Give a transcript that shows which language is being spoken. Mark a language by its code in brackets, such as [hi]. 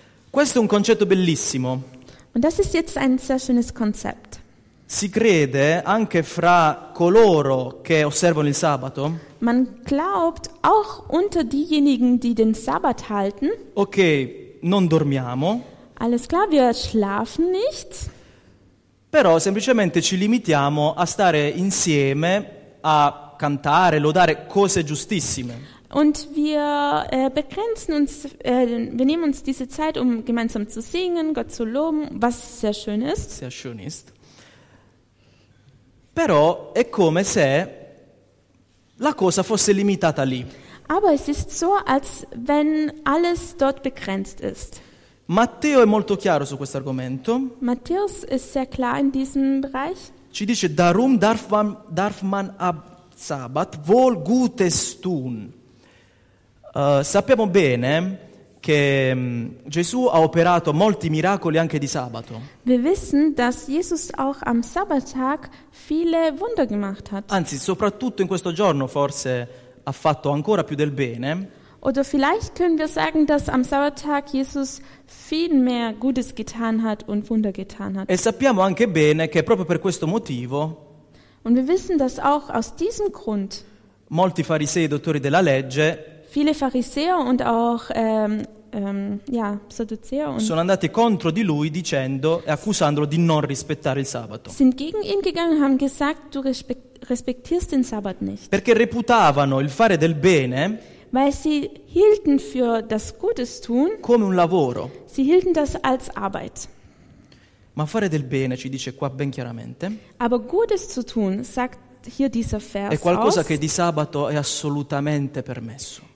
[it] Questo è un concetto bellissimo. [de] Und das ist jetzt ein sehr schönes Konzept. [it] Si crede anche fra coloro che osservano il sabato? [de] Man glaubt auch unter diejenigen, die den Sabbat halten. [it] Okay, non dormiamo. [de] Alles klar, wir schlafen nicht. [it] Però semplicemente ci limitiamo a stare insieme a cantare, lodare cose giustissime. [de] Und wir begrenzen uns, wir nehmen uns diese Zeit, um gemeinsam zu singen, Gott zu loben, was sehr schön ist. Sehr schön ist. [it] Però è come se la cosa fosse limitata lì. [de] Aber es ist so, als wenn alles dort begrenzt ist. [it] Matteo è molto chiaro su questo argomento. [de] Matthäus ist sehr klar in diesem Bereich. [it] Ci dice, [de] darum darf man ab Sabbat wohl Gutes tun. [it] Sappiamo bene che Gesù ha operato molti miracoli anche di sabato. [de] Wir wissen, dass Jesus auch am Sabbattag viele Wunder gemacht hat. [it] Anzi, soprattutto in questo giorno forse ha fatto ancora più del bene. [de] Oder vielleicht können wir sagen, dass am Sabbattag Jesus viel mehr Gutes getan hat und Wunder getan hat. [it] E sappiamo anche bene che proprio per questo motivo. [de] Und wir wissen, dass auch aus diesem Grund. [it] Molti farisei e dottori della legge. [de] Viele Pharisäer und auch Sadduzäer und [it] sono andati contro di lui dicendo e accusandolo di non rispettare il sabato. [de] Sind gegen ihn gegangen, haben gesagt, du respektierst den Sabbat nicht. [it] Perché reputavano il fare del bene, [de] weil sie hielten für das Gutes tun, [it] come un lavoro. [de] Sie hielten das als Arbeit. [it] Ma fare del bene, ci dice qua ben chiaramente. [de] Aber Gutes zu tun, sagt hier dieser Vers. [it] È qualcosa che di sabato è assolutamente permesso.